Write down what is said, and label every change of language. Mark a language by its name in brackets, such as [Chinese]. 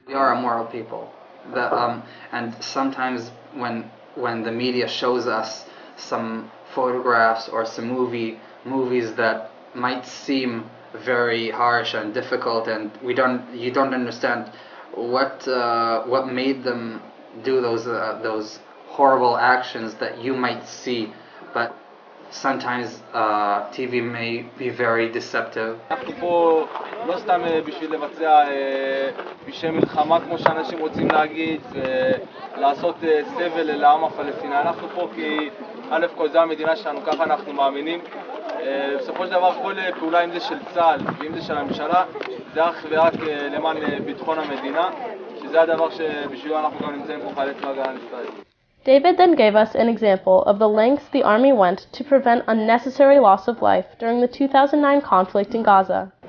[English] We are a moral people, and sometimes when the media shows us some photographs or some movies that might seem very harsh and difficult, and you don't understand what made them do those horrible actions that you might see, but sometimes TV may be very deceptive. [Hebrew] אנחנו פה לא סתם בשביל לבצע בשם מלחמה כמו שאנשים רוצים להגיד ולעשות סבל לעם הפלסטיני. אנחנו פה כי א' כל זה המדינה שלנו, ככה אנחנו מאמינים. בסופו של דבר כל פעולה, אם זה של צה"ל ואם זה של הממשלה, זה אך ורק למען ביטחון המדינה, שזה הדבר שבשבילו אנחנו גם נמצאים פה חיילי צבא הגנה לישראל. [English] David then gave us an example of the lengths the army went to prevent unnecessary loss of life during the 2009 conflict in Gaza.